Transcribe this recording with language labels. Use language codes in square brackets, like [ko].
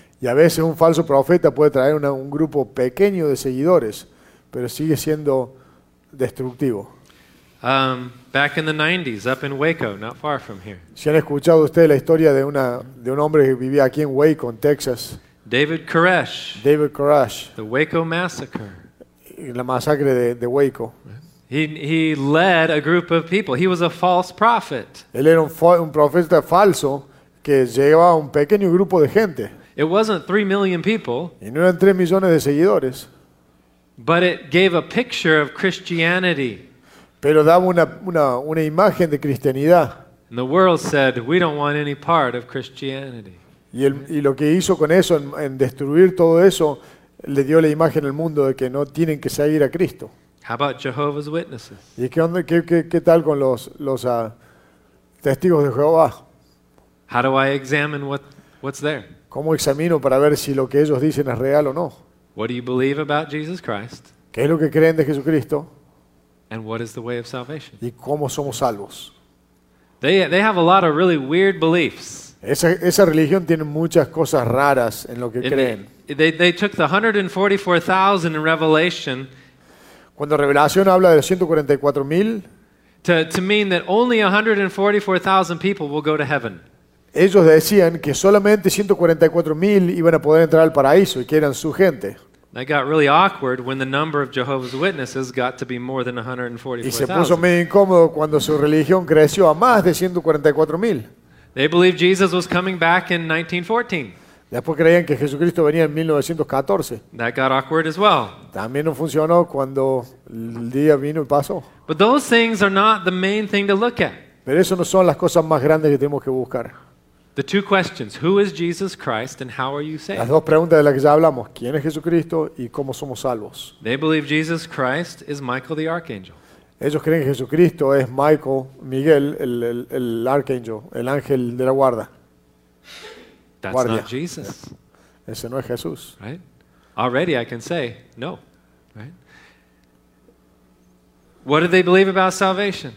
[es] Y a veces un falso profeta puede traer un grupo pequeño de seguidores, pero sigue siendo destructivo. [en] Back in the 90s, up in Waco, not far from here. [es] ¿Si han escuchado ustedes la historia de un hombre que vivía aquí en Waco, en Texas? [en] David Koresh. The Waco massacre. [es] La masacre de Waco. [en] He led a group of people. He was a false prophet. [es] Él era un profeta falso que llevaba un pequeño grupo de gente. [en] It wasn't 3 million people. [es] Y no eran 3 millones de seguidores. [en] But it gave a picture of Christianity. [es] Pero daba una imagen de cristianidad. [en] And the world said, "We don't want any part of Christianity." [es] Y lo que hizo con eso, en destruir todo eso, le dio la imagen al mundo de que no tienen que seguir a Cristo. [en] How about Jehovah's Witnesses? [es] ¿Y qué tal con los testigos de Jehová? [en] How do I examine what's there? [es] ¿Cómo examino para ver si lo que ellos dicen es real o no? [en] What do you believe about Jesus Christ? [es] ¿Qué es lo que creen de Jesucristo? [en] And what is the way of salvation? [es] ¿Y cómo somos salvos? [en] They have a lot of really weird beliefs. [es] Esa religión tiene muchas cosas raras en lo que creen. [en] They took the 144,000 in Revelation. [es] Cuando Revelación habla de 144,000, [en] to mean that only 144,000 people will go to heaven. [es] Ellos decían que solamente 144,000 iban a poder entrar al paraíso y que eran su gente. [en] That got really awkward when the number of Jehovah's Witnesses got to be more than 144,000. [es] Y se puso medio incómodo cuando su religión creció a más de 144,000. [en] They believed Jesus was coming back in 1914. [es] Después creían que Jesucristo venía en 1914. [en] That got awkward as well. [es] También no funcionó cuando el día vino y pasó. [en] But those things are not the main thing to look at. [es] Pero eso no son las cosas más grandes que tenemos que buscar. [en] The two questions: Who is Jesus Christ, and how are you saved? [es] Las dos preguntas de las que ya hablamos: ¿Quién es Jesucristo y cómo somos salvos? [en] They believe Jesus Christ is Michael the Archangel. [es] Ellos creen que Jesucristo es Michael, Miguel, el Archangel, el ángel de la guarda. [en] That's guardia. Not Jesus. [es] Ese no es Jesús. [en] Right? Already I can say no. Right? What do they believe about salvation?